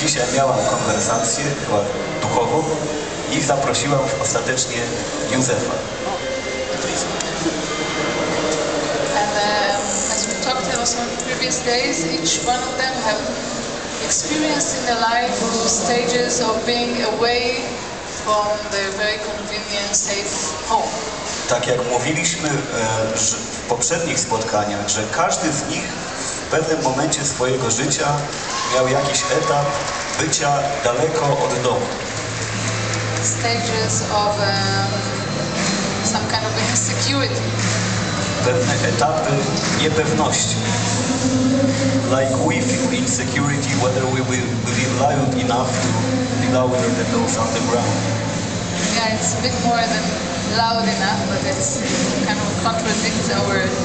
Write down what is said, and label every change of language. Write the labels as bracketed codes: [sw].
[pl] Dzisiaj miałam konwersację, była duchową, i zaprosiłam ostatecznie Józefa. [en] And as we talked also in previous days, each one of them have experienced in their life stages of being away from their very convenient, safe home. [pl] Tak jak mówiliśmy w poprzednich spotkaniach, że każdy z nich w pewnym momencie swojego życia miał jakiś etap bycia daleko od domu. [en] Stages of some kind of insecurity. [pl] Pewne etapy niepewności. [en] Like we feel insecurity whether we will be loud enough to be louder than those on the ground. Yeah, it's a bit more than loud enough, but it's kind of contradicts our